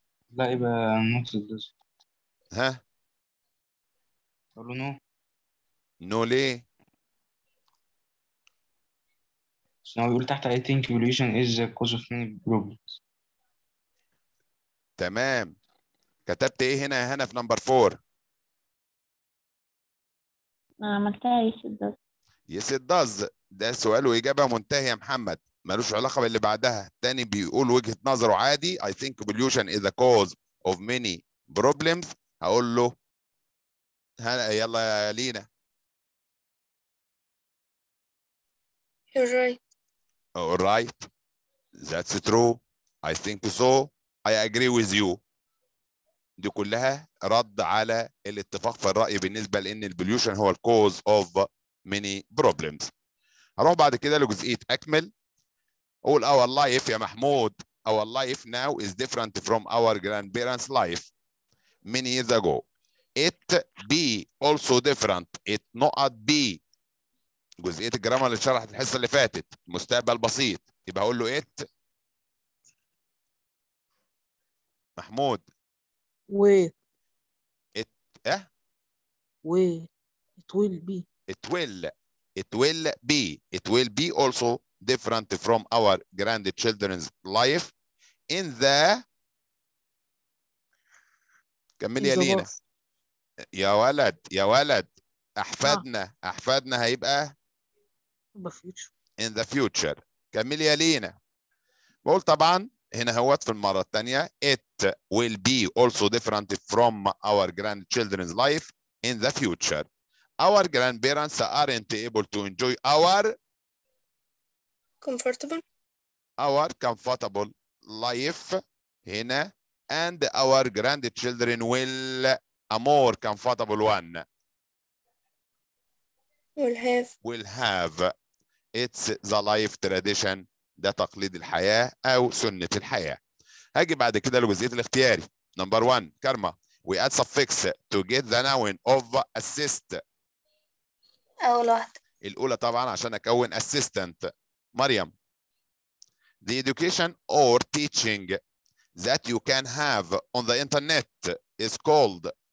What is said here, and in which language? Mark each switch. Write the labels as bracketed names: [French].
[Arabic] لا، يبقى نقصدش. ها؟ قولوا نو. نو ليه؟ بيقول تحت [English] I think evolution is the cause of many problems. [Arabic] تمام، كتبت ايه هنا يا هنا في نمبر 4؟ عملتها [English] yes it does. [Arabic] ده سؤال واجابه منتهيه يا محمد، ملوش علاقه باللي بعدها. تاني بيقول وجهه نظره عادي، [English] I think evolution is the cause of many problems. [Arabic] هقول له هلا يلا يا لينا. [English] You're right. All right, that's true. I think so. I agree with you. [Arabic] دي كلها رد على الاتفاق في الرأي بالنسبة لأن البوليوشن هو الكوز of many problems. هروح بعد كده لجزئية أكمل. قول our life يا محمود. [English] Our life now is different from our grandparents' life many years ago. It be also different. It not be. [Arabic] جزئية الجرامر اللي شرحت الحصة اللي فاتت، مستقبل بسيط، يبقى أقول له إت محمود و إت إيه؟ [English] و it will be it will it will be it will be also different from our grandchildren's life in the [Arabic] كملي يا لينا يا ولد يا ولد أحفادنا أحفادنا هيبقى [English] The in the future. [Arabic] كملي يا لينا. بقول طبعا هنا هوت في المرة الثانية [English] it will be also different from our grandchildren's life in the future. Our grandparents aren't able to enjoy our comfortable our comfortable life هنا and our grandchildren will a more comfortable one. Will have. Will have. It's the life tradition. [Arabic] ده تقليد الحياة أو سنة الحياة. هاجي بعد كده الجزء الاختياري. [English] Number one, كرمة. We add suffix to get the noun of assist. [Arabic] أول واحدة. الأولى طبعاً عشان أكون assistant. مريم. [English] The education or teaching that you can have on the internet is called